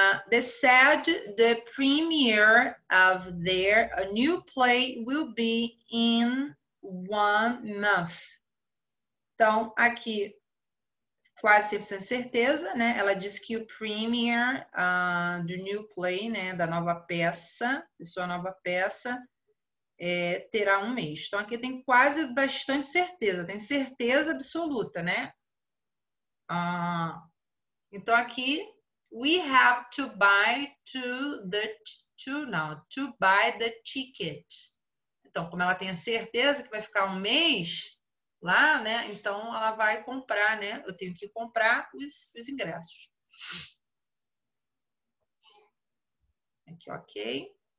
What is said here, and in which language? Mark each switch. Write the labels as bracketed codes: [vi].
[en] They said the premiere of their new play will be in 1 month. [pt] Então, aqui, quase 100% certeza, né? Ela disse que o premiere do [en] new play, [pt] né? Da nova peça, de sua nova peça, terá 1 mês. Então, aqui tem quase bastante certeza. Tem certeza absoluta, né? Então, aqui, [en] we have to buy to buy the ticket. [pt] Então, como ela tem a certeza que vai ficar 1 mês lá, né? Então, ela vai comprar, né? Eu tenho que comprar os ingressos. Aqui, ok.